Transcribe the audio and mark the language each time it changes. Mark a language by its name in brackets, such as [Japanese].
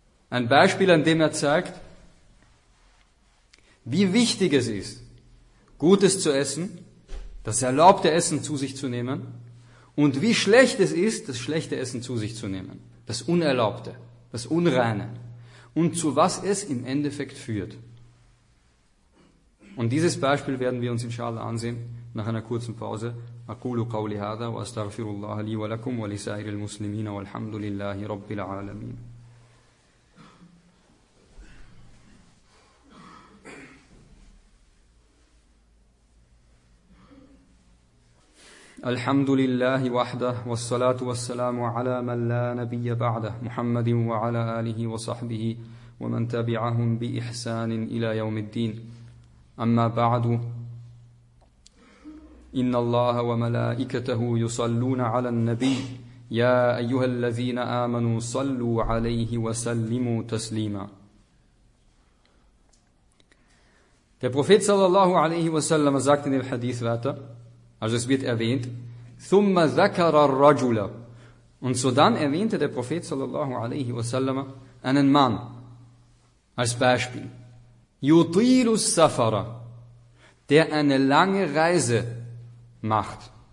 [German] Ein Beispiel, an dem er zeigt, wie wichtig es ist, Gutes zu essen, das erlaubte Essen zu sich zu nehmen, und wie schlecht es ist, das schlechte Essen zu sich zu nehmen, das Unerlaubte, das Unreine, und zu was es im Endeffekt führt. Und dieses Beispiel werden wir uns inshallah ansehen, nach einer kurzen Pause. [Arabic] أقول قولي هذا وأستغفر الله لي ولكم ولسائر المسلمين والحمد لله رب العالمين. الحمد لله وحده والصلاة والسلام على من لا نبي بعده محمد وعلى آله وصحبه ومن تبعهم بإحسان إلى يوم الدين. أما بعد, إن الله وملائكته يصلون على النبي يا أيها الذين آمنوا صلوا عليه وسلموا تسليما. [German] Der Prophet sallallahu alaihi wasallam sagt in dem Hadith weiter, also es wird erwähnt, [Arabic] ثم ذكر الرجل, [German] und sodann erwähnte der Prophet sallallahu alaihi wasallam einen Mann als Beispiel, [Arabic] يطيل السفر, [German] der eine lange Reise macht.